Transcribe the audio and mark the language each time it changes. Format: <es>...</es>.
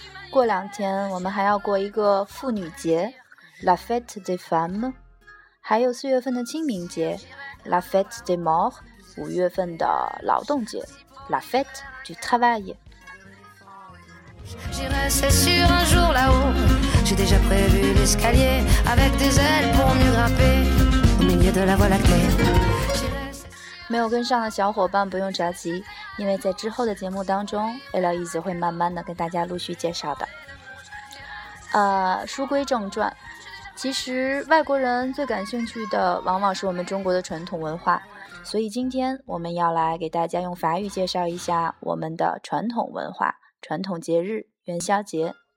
<zh>过两天我们还要过一个妇女节 La fête des femmes，还有四月份的清明节 La fête des morts，五月份的劳动节 La fête du travail。</zh> <fr>J'irai c'est sûr un jour là-haut， j'ai déjà prévu l'escalier avec des ailes pour mieux grimper au milieu de la voie lactée。</fr> <zh>没有跟上的小伙伴不用着急，因为在之后的节目当中 Eloise 会慢慢的跟大家陆续介绍的。书归正传，其实外国人最感兴趣的往往是我们中国的传统文化，所以今天我们要来给大家用法语介绍一下我们的传统文化、传统节日元宵节。</zh>